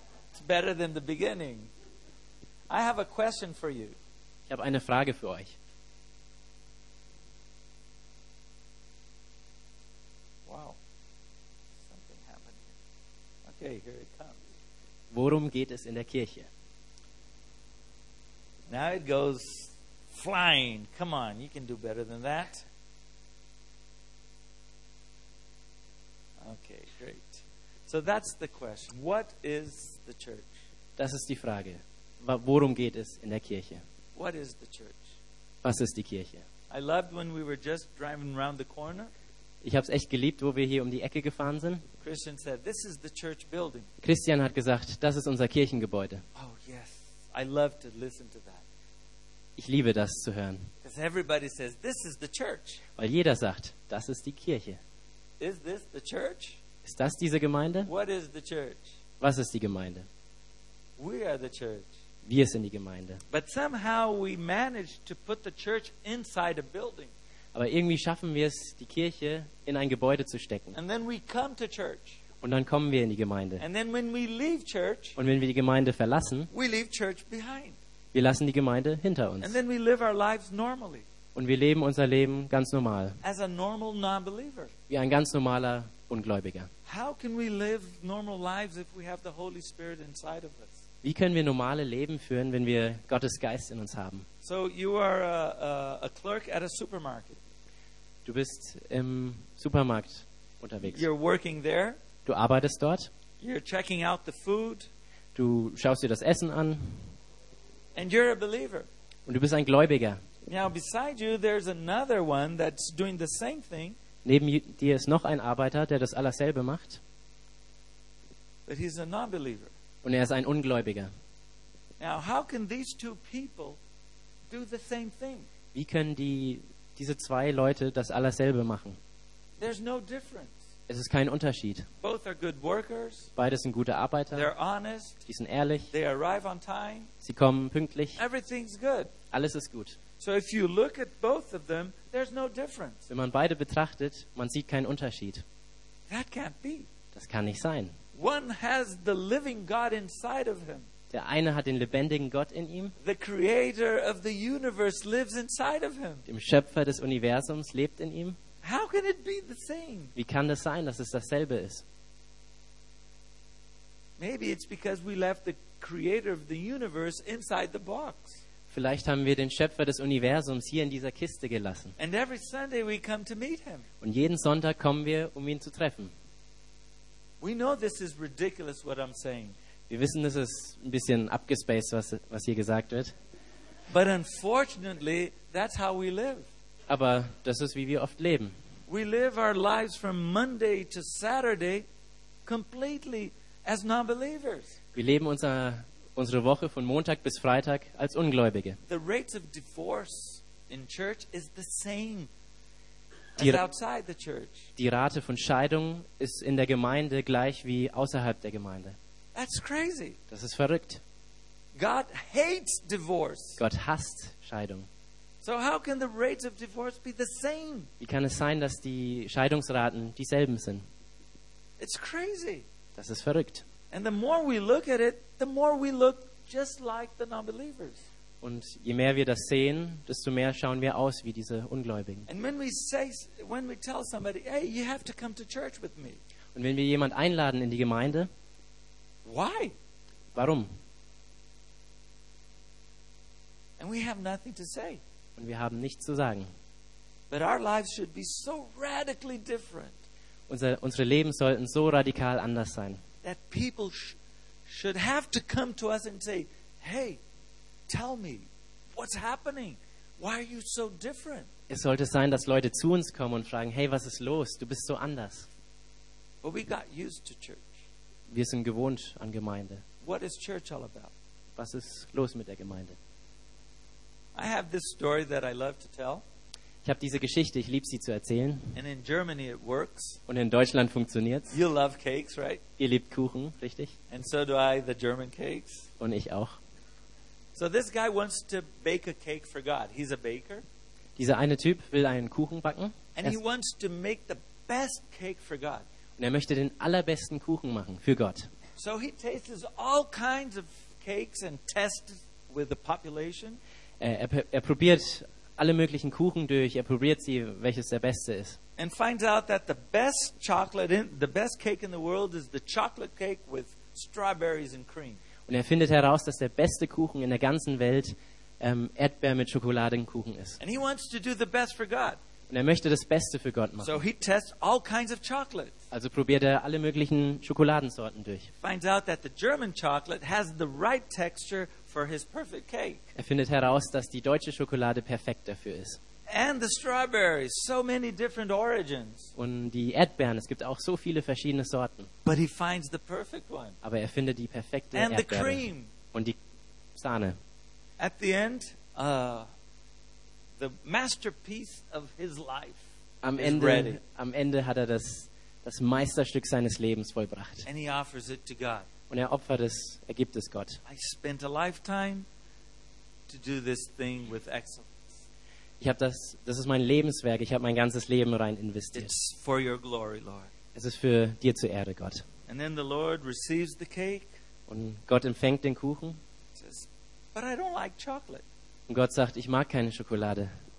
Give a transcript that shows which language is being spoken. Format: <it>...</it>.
<en>It's better than the beginning. I have a question for you.</en> <de>Ich habe eine Frage für euch.</de> <en>Wow. Something happened. Okay, here it comes.</en> <de>Worum geht es in der Kirche?</de> <en>Now it goes flying. Come on, you can do better than that. Okay, great. So that's the question. What is the church?</en> <de>Das ist die Frage. Worum geht es in der Kirche?</de> <en>What is the church?</en> <de>Was ist die Kirche?</de> <en>I loved when we were just driving around the corner.</en> <de>Ich habe es echt geliebt, wo wir hier um die Ecke gefahren sind.</de> <en>Christian said, this is the church building.</en> <de>Christian hat gesagt, das ist unser Kirchengebäude.</de> <en>Oh yes, I love to listen to that.</en> <de>Ich liebe das zu hören.</de> <en>Because everybody says, this is the church.</en> <de>Weil jeder sagt, das ist die Kirche.</de> <en>Is this the church?</en> <de>Ist das diese Gemeinde?</de> <en>What is the church?</en> <de>Was ist die Gemeinde?</de> <en>We are the church.</en> <de>Wir sind die Gemeinde.</de> <en>But somehow we managed to put the church inside a building.</en> <de>Aber irgendwie schaffen wir es, die Kirche in ein Gebäude zu stecken.</de> <en>And then we come to church.</en> <de>Und dann kommen wir in die Gemeinde.</de> <en>And then when we leave church,</en> <de>und wenn wir die Gemeinde verlassen,</de> <en>we leave church behind.</en> <de>Wir lassen die Gemeinde hinter uns.</de> <en>And then we live our lives normally.</en> <de>Und wir leben unser Leben ganz normal.</de> <en>As a normal non-believer.</en> <de>Wie ein ganz normaler Ungläubiger.</de> <en>How can we live normal lives if we have the Holy Spirit inside of us?</en> <de>Wie können wir normale Leben führen, wenn wir Gottes Geist in uns haben?</de> <en>So you are a clerk at a supermarket.</en> <de>Du bist im Supermarkt unterwegs.</de> <en>You're working there.</en> <de>Du arbeitest dort.</de> <en>You're checking out the food.</en> <de>Du schaust dir das Essen an.</de> <en>And you're a believer.</en> <de>Und du bist ein Gläubiger.</de> <en>Now beside you there's another one that's doing the same thing.</en> <de>Neben dir ist noch ein Arbeiter, der das allerselbe macht.</de> <en>But he's a non-believer.</en> <de>Und er ist ein Ungläubiger.</de> <en>Now how can these two people do the same thing?</en> <de>Wie können diese zwei Leute das allerselbe machen?</de> <en>There's no difference.</en> <de>Es ist kein Unterschied.</de> <en>Both are good workers.</en> <de>Beide sind gute Arbeiter.</de> <en>They're honest.</en> <de>Die sind ehrlich.</de> <en>They arrive on time.</en> <de>Sie kommen pünktlich.</de> <en>Everything's good.</en> <de>Alles ist gut.</de> <en>So if you look at both of them, there's no difference.</en> <de>Wenn man beide betrachtet, man sieht keinen Unterschied.</de> <en>That can't be.</en> <de>Das kann nicht sein.</de> <en>One has the living God inside of him.</en> <de>Der eine hat den lebendigen Gott in ihm.</de> <en>The creator of the universe lives inside of him.</en> <de>Dem Schöpfer des Universums lebt in ihm.</de> <en>How can it be the same?</en> <de>Wie kann das sein, dass es dasselbe ist?</de> <en>Maybe it's because we left the creator of the universe inside the box.</en> <de>Vielleicht haben wir den Schöpfer des Universums hier in dieser Kiste gelassen.</de> <en>And every Sunday we come to meet him.</en> <de>Und jeden Sonntag kommen wir, um ihn zu treffen.</de> <en>We know this is ridiculous what I'm saying.</en> <de>Wir wissen, das ist ein bisschen abgespaced, was hier gesagt wird.</de> <en>But unfortunately, that's how we live.</en> <de>Aber das ist, wie wir oft leben.</de> <en>We live our lives from Monday to Saturday completely as non-believers.</en> <de>Wir leben unsere Woche von Montag bis Freitag als Ungläubige.</de> <en>The rate of divorce in church is the same as outside the church.</en> <de>Die Rate von Scheidung ist in der Gemeinde gleich wie außerhalb der Gemeinde.</de> <en>That's crazy.</en> <de>Das ist verrückt.</de> <en>God hates divorce.</en> <de>Gott hasst Scheidung.</de> <en>So how can the rates of divorce be the same?</en> <de>Wie kann es sein, dass die Scheidungsraten dieselben sind?</de> <en>It's crazy.</en> <de>Das ist verrückt.</de> <en>And the more we look at it, the more we look just like the non-believers.</en> <de>Und je mehr wir das sehen, desto mehr schauen wir aus wie diese Ungläubigen.</de> <en>And when we tell somebody, hey, you have to come to church with me.</en> <de>Und wenn wir jemand einladen in die Gemeinde,</de> <en>why?</en> <de>Warum?</de> <en>And we have nothing to say.</en> <de>Und wir haben nichts zu sagen.</de> <en>But our lives should be so radically different.</en> <de>Unsere Leben sollten so radikal anders sein.</de> <en>That people should have to come to us and say, hey, tell me, what's happening? Why are you so different?</en> <de>Es sollte sein, dass Leute zu uns kommen und fragen, hey, was ist los? Du bist so anders.</de> <en>But we got used to church.</en> <de>Wir sind gewohnt an Gemeinde.</de> <en>What is church all about?</en> <de>Was ist los mit der Gemeinde?</de> <en>I have this story that I love to tell.</en> <de>Ich habe diese Geschichte, ich liebe sie zu erzählen.</de> <en>And in Germany it works.</en> <de>Und in Deutschland funktioniert es.</de> <en>You love cakes, right?</en> <de>Ihr liebt Kuchen, richtig?</de> <en>And so do I, the German cakes.</en> <de>Und ich auch.</de> <en>So this guy wants to bake a cake for God. He's a baker.</en> <de>Dieser eine Typ will einen Kuchen backen.</de> <en>And he wants to make the best cake for God.</en> <de>Und er möchte den allerbesten Kuchen machen für Gott.</de> <en>So he tastes all kinds of cakes and tests with the population.</en> <de>Er probiert alle möglichen Kuchen durch, er probiert sie, welches der beste ist.</de> <en>And finds out that the best chocolate in the best cake in the world is the chocolate cake with strawberries and cream.</en> <de>Und er findet heraus, dass der beste Kuchen in der ganzen Welt Erdbeer mit Schokoladenkuchen ist.</de> <en>And he wants to do the best for God.</en> <de>Und er möchte das Beste für Gott machen.</de> <en>So he tests all kinds of chocolate.</en> <de>Also probiert er alle möglichen Schokoladensorten durch.</de> <en>Finds out that the German chocolate has the right texture for his perfect cake.</en> <de>Er findet heraus, dass die deutsche Schokolade perfekt dafür ist.</de> <en>And the strawberries, so many different origins.</en> <de>Und die Erdbeeren, es gibt auch so viele verschiedene Sorten.</de> <en>But he finds the perfect one.</en> <de>Aber er findet die perfekte</de> <en>and</en> <de>Erdbeere.</de> <en>The cream.</en> <de>Und die Sahne.</de> <en>At the end, the masterpiece of his life.</en> <de>Am Ende hat er das Meisterstück seines Lebens vollbracht.</de> <en>And he offers it to God.</en> <de>Und er opfert es, er gibt es Gott.</de> <en>I spent a lifetime to do this thing with excellence.</en> <de>Ich habe das, das ist mein Lebenswerk. Ich habe mein ganzes Leben rein investiert.</de> <en>It's for your glory, Lord.</en> <de>Es ist für dir zur Ehre, Gott.</de> <en>And then the Lord receives the cake.</en> <de>Und Gott empfängt den Kuchen.</de> <en>Says, but I don't like chocolate.</en> <de>Und Gott sagt, ich mag keine Schokolade.</de>